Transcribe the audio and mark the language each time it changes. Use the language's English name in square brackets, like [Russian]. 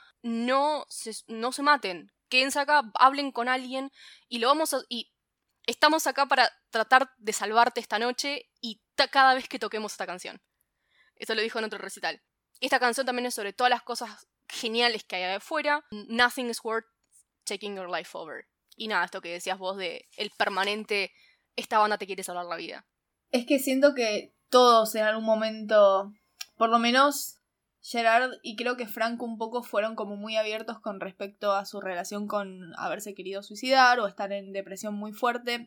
[Spanish] No se maten, quédense acá, hablen con alguien y lo vamos a... Y, estamos acá para tratar de salvarte esta noche y cada vez que toquemos esta canción. Eso lo dijo en otro recital. Esta canción también es sobre todas las cosas geniales que hay allá afuera. [English] Nothing is worth taking your life over. [Spanish] Y nada, esto que decías vos de el permanente, esta banda te quiere salvar la vida. Es que siento que todos en algún momento, por lo menos Gerard y creo que Frank un poco, fueron como muy abiertos con respecto a su relación con haberse querido suicidar o estar en depresión muy fuerte.